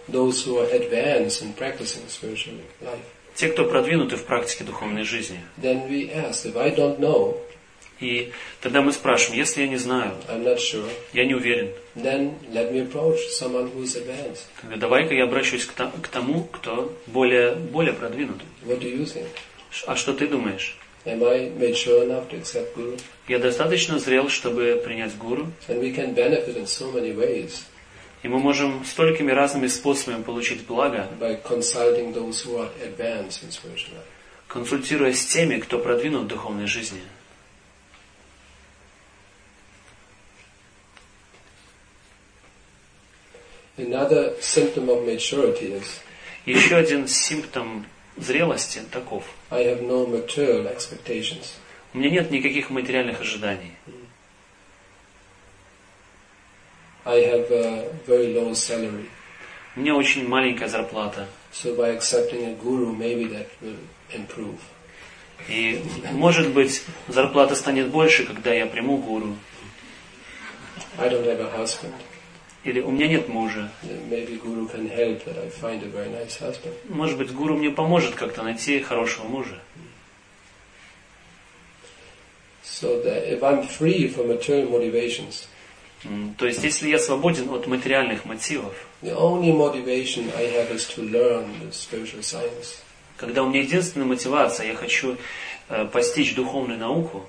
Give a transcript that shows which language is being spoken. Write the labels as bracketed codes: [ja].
[en] those who are advanced in practicing spiritual life. [ru] Те, кто продвинуты в практике духовной жизни. [en] Then we ask, if I don't know, [ru] и тогда мы спрашиваем, если я не знаю, [en] I'm not sure, [ru] я не уверен, [en] then let me approach someone who is advanced. [ru] Давай-ка я обращусь к тому, кто более продвинут. [en] What do you think? [ru] А что ты думаешь? [en] Am I mature enough to accept guru? [ru] Я достаточно зрел, чтобы принять гуру? [en] And we can benefit in so many ways. [ru] И мы можем столькими разными способами получить благо, [en] by consulting those who are advanced in spiritual life. [ru] Консультируясь с теми, кто продвинут в духовной жизни. [en] Another symptom of maturity is, [ru] еще один симптом зрелости таков. [en] I have no material expectations. [ru] У меня нет никаких материальных ожиданий. [en] I have a very low salary. [ru] У меня очень маленькая зарплата. [en] So by accepting a guru, maybe that will improve. [ru] И может быть зарплата станет больше, когда я приму гуру. [en] I don't have a husband. [ru] Или у меня нет мужа. [en] Maybe guru can help that I find a very nice husband. [ru] Может быть, гуру мне поможет как-то найти хорошего мужа. [en] So that if I'm free from material motivations. [ru] То есть, если я свободен от материальных мотивов. [en] The only motivation I have is to learn the spiritual science. [ru] Когда у меня единственная мотивация, я хочу постичь духовную науку.